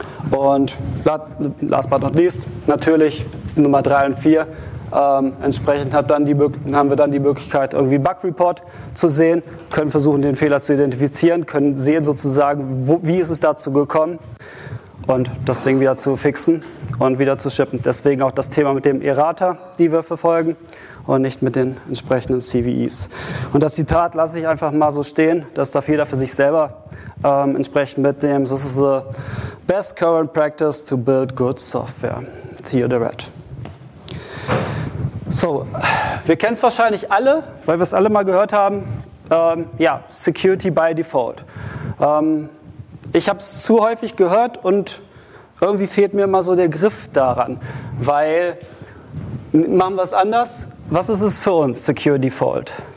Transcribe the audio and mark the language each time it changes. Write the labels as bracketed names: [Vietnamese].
[German] Und [English] last but not least, [German] natürlich Nummer 3 und 4, entsprechend haben wir dann die Möglichkeit, irgendwie Bug Report zu sehen, können versuchen, den Fehler zu identifizieren, können sehen sozusagen, wie ist es dazu gekommen und das Ding wieder zu fixen und wieder zu shippen. Deswegen auch das Thema mit dem Errata, die wir verfolgen und nicht mit den entsprechenden CVEs. Und das Zitat lasse ich einfach mal so stehen, das darf jeder für sich selber entsprechend mitnehmen. [English] This is the best current practice to build good software. Theodoret. [German] So, wir kennen es wahrscheinlich alle, weil wir es alle mal gehört haben, Security by Default. Ich habe es zu häufig gehört und irgendwie fehlt mir immer so der Griff daran, weil, machen wir es anders, was ist es für uns, Secure Default?